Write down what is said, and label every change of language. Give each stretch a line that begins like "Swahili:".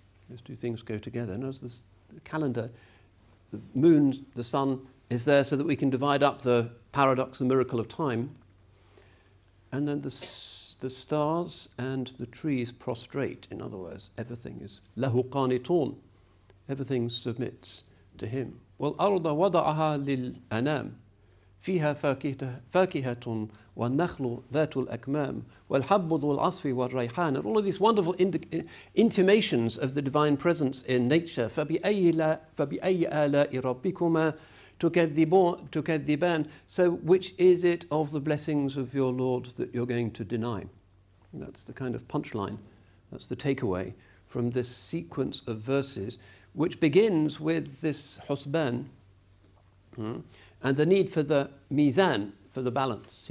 English: Those two things go together. And as the calendar, the moon, the sun, is there so that we can divide up the paradox and miracle of time. And then the stars and the trees prostrate. In other words, everything is
Arabic: lahu qanitun.
English: Everything submits to him.
Arabic: والأرض وضعها للأنام فيها فاكهة والنخل ذات الأكمام والحب ذو العصف والريحان.
English: And all of these wonderful intimations of the divine presence in nature.
Arabic: فبأي آلاء ربكما تكذبان.
English: So which is it of the blessings of your Lord that you're going to deny? That's the kind of punchline, that's the takeaway from this sequence of verses, which begins with this husban and the need for the mizan, for the balance.